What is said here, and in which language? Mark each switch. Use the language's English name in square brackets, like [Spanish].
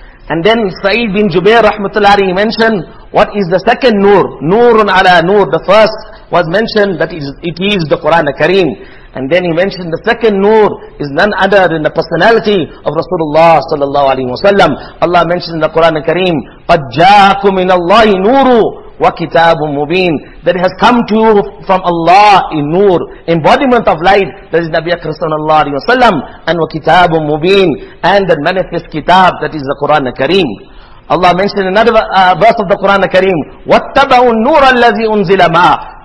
[English] And then Sa'id bin Jubair rahmatullahi mentioned, what is the second nur? [Arabic] Nurun ala nur. [English] The first was mentioned that it is the Quran Kareem. And then he mentioned the second nur is none other than the personality of Rasulullah sallallahu alaihi wasallam. [Arabic] Allah mentions in the Quran Kareem, قَدْ جَاكُمْ مِنَ اللَّهِ نُورُ وَكِتَابٌ مُبِينٌ. [English] That has come to you from Allah in nur, embodiment of light. That is Nabi Akram sallallahu alaihi wasallam, and [Arabic] وَكِتَابٌ مُبِينٌ, [English] and the manifest kitab, that is the Quran Kareem. [Arabic] Allah mentioned another verse of the Quran Kareem, وَاتَّبَعُوا النُورَ الَّذِي أُنزِلَ مَا.